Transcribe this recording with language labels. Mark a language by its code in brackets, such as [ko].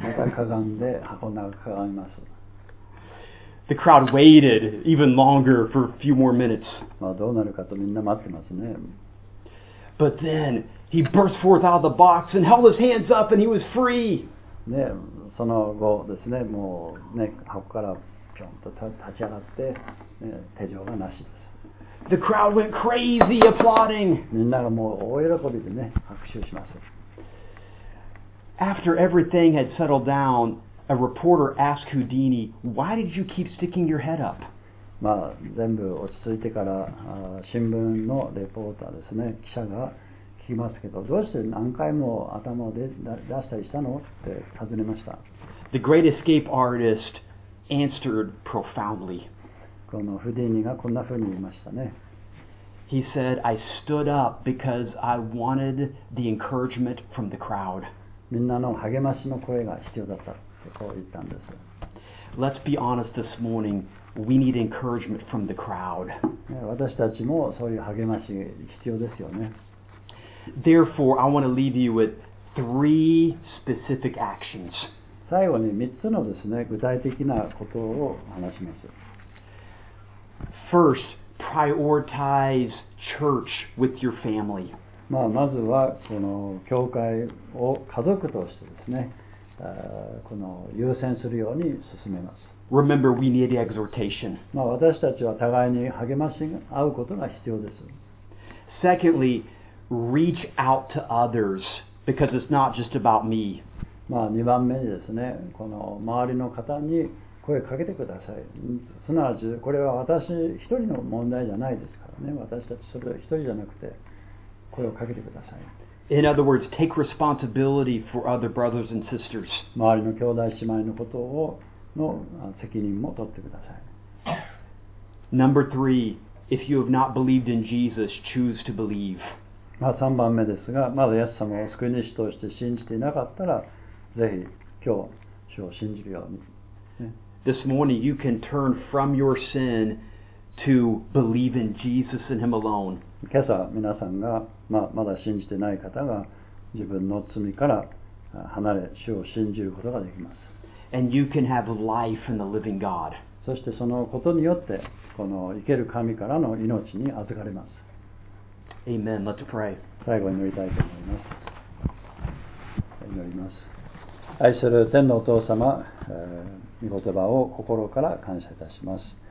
[ja] またかがんで箱の中かがみます。 [en] The crowd waited even longer for a few more minutes. [ja] まあ、どうなるかとみんな待ってますね。 [en] But then he burst forth out of the box and held his hands up and he was free. [ja] ね、その後ですね、もうね、箱からちょんと立ち上がって、ね、手錠がなしです。 [en] The crowd went crazy applauding. [ja] みんながもう大喜びでね、拍手します。 [en] After everything had settled down, a reporter asked Houdini, "Why did you keep sticking your head up?" [ja] まあ全部落ち着いてから新聞のレポーターですね、記者が聞きますけど、どうして何回も頭を出したりしたのって尋ねました。 [en] The great escape artist. Answered profoundly. [ja] このフディーニがこんなふうに言いましたね。 [en] He said, I stood up because I wanted the encouragement from the crowd. [ja] みんなの励ましの声が必要だったとこう言ったんです。 [en] Let's be honest this morning. We need encouragement from the crowd. [ja] 私たちもそういう励まし必要ですよね。 [en] Therefore, I want to leave you with three specific actions. [ja] 最後に3つのですね、具体的なことを話します。 [en] First, prioritize church with your family. [ja] まあ、まずはこの教会を家族としてですね、この優先するように進めます。 [en] Remember, we need exhortation. [ja] まあ、私たちは互いに励まし合うことが必要です。 [en] Secondly, reach out to others because it's not just about me. [ja] まあ、2番目にですね、この周りの方に声かけてください。すなわち、これは私一人の問題じゃないですからね。私たちそれ一人じゃなくて声をかけてください。 [en] In other words, take responsibility for other brothers and sisters. [ja] 周りの兄弟姉妹のことをの責任も取ってください。 [en] Number three, if you have not believed in Jesus, choose to believe. [ja] まあ3番目ですが、まだイエス様を救い主として信じていなかったら、ぜひ今日主を信じるように。 [en] This morning you can turn from your sin to believe in Jesus and Him alone. [ja] 今朝皆さんが、まあ、まだ信じてない方が自分の罪から離れ主を信じることができます。 [en] And you can have life in the living God. [ja] そしてそのことによってこの生ける神からの命に預かれます。 [en] Amen. Let's pray. [ja] 最後に祈りたいと思います。祈ります。愛する天のお父様、御言葉を心から感謝いたします。